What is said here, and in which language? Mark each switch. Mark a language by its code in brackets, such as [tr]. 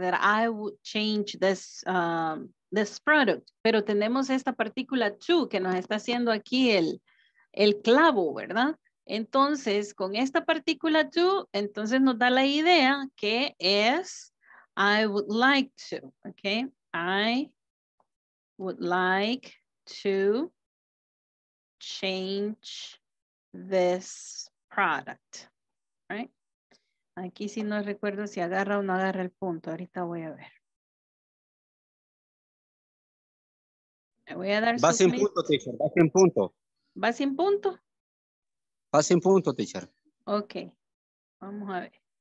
[en] That I would change this, this product. [es] Pero tenemos esta partícula to que nos está haciendo aquí el clavo, ¿verdad? Entonces, con esta partícula to, entonces nos da la idea que es... [en] I would like to, okay? I would like to change this product, right? [es] Aquí sí no recuerdo si agarra o no agarra el punto. Ahorita voy a ver. Me voy a dar va sin punto, teacher. Va sin punto. ¿Va sin punto? Va sin punto, teacher. Okay. Vamos a ver.